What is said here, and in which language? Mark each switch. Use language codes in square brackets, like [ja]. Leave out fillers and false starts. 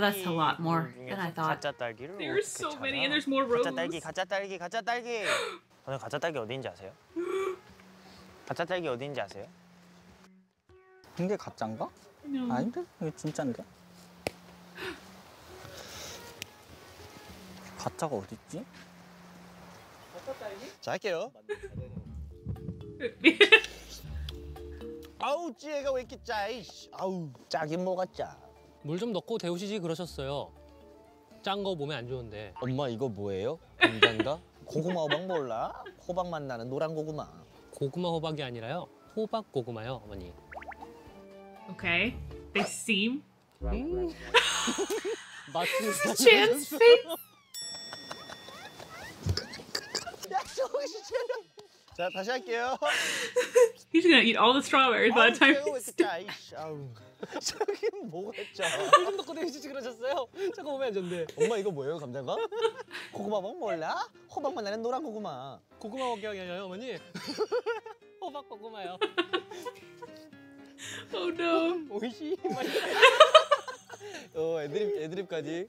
[en] Oh, that's a lot more than I thought. [ko] 가짜 딸기를 [en] There are so many and there's more rows. [ko] 가짜 딸기, 가짜 딸기, 가짜 딸기. 오늘 가짜 딸기 어딘지 아세요? 가짜 딸기 어딘지 아세요? 이게 가짜인가? 아닌데? 이게 진짜인데? 가짜가 어디 있지? 가짜 딸기? 자 할게요. 아우 찌개가 왜 이렇게 짜? 아우 짜긴 뭐가 짜? 물 좀 넣고 데우시지 그러셨어요. 짠 거 몸에 안 좋은데. 엄마 이거 뭐예요? 인간가? 고구마 호박 몰라? 호박만 나는 노란 고구마. 고구마 호박이 아니라요. 호박 고구마요, 어머니. [en] Okay, they seem. What's the chance, babe? [ko] 야, 정신 차려. 자, 다시 할게요. [en] He's gonna eat all the strawberries by the time he's done. [ko] 저기 뭐였죠? 물 좀 넣고 데우시지 그러셨어요? 잠깐 몸에 안 좋은데. 엄마 이거 뭐예요, 감자가? 고구마밥 몰라? 호박만 나는 노란 고구마. 고구마 먹기 아니에요, 어머니? 호박 고구마요. [en] Oh no. [ko] 오이시. 어 애드립 애드립까지.